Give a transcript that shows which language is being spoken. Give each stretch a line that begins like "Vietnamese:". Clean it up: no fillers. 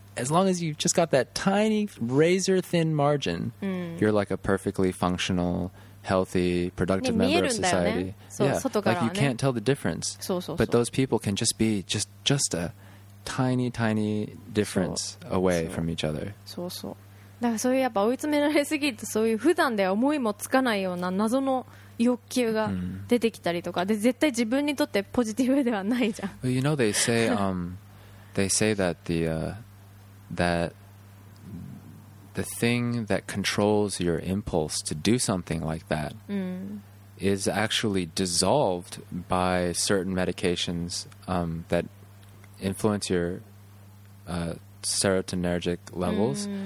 English: As long as you just got that tiny razor thin margin, you're like a perfectly functional healthy, productive、ね、 member of society.、ね、 yeah,、ね、 like you can't tell the difference.
Japanese: そうそうそう
English: but those people can just be just a tiny, tiny difference away from each other.
Japanese: そうそう。だからそういうやっぱ追い詰められすぎると、そういう普段では思いもつかないような謎の欲求が出てきたりとか、で絶対自分にとってポジティブではないじゃん。
English: Well, you know, they say, they say that the thing that controls your impulse to do something like that is actually dissolved by certain medications that influence your serotonergic levels.